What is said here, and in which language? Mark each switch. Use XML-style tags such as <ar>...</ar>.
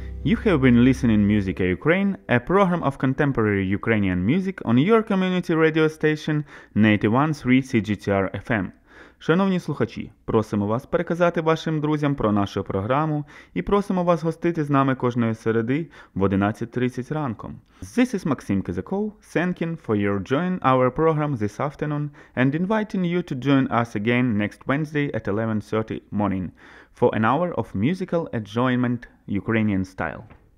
<en>You have been listening to Musica Ukraine, a program of contemporary Ukrainian music on your community radio station на 81.3 CGTR FM.</en> <uk>Шановні слухачі, просимо вас переказати вашим друзям про нашу програму і просимо вас гостити з нами кожної середи в 11.30 ранком.</uk> <en>This is Максим Кизаков, thanking for your join our program this afternoon and inviting you to join us again next Wednesday at 11.30 morning for an hour of musical enjoyment Ukrainian style.</en>